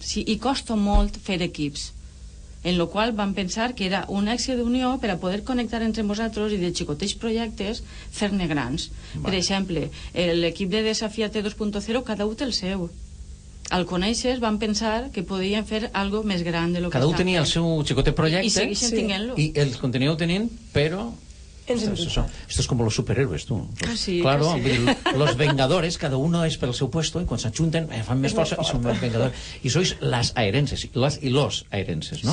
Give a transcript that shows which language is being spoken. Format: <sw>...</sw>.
<ca>Sí, i costa molt fer equips. En lo qual van pensar que era un èxit d'unió per a poder connectar entre nosaltres i de xicoteix projectes fer-ne grans. Vale. Per exemple, l'equip de Desafiate 2.0, cada un té el seu. Al conèixer van pensar que podien fer algo més gran de lo que cada un tenia el seu xicotet projecte i segueixen tenint-lo. I el continueu tenint, però...</ca> <es>Esto es como los superhéroes, tú. Casi, claro, casi. Los vengadores, cada uno es</es> <ca>pel seu</ca> <es>puesto, y cuando se junten,</es> <ca>fan més força i són més vengadors.</ca> <es>I sois las aerenses, las y los aerenses, ¿no?</es>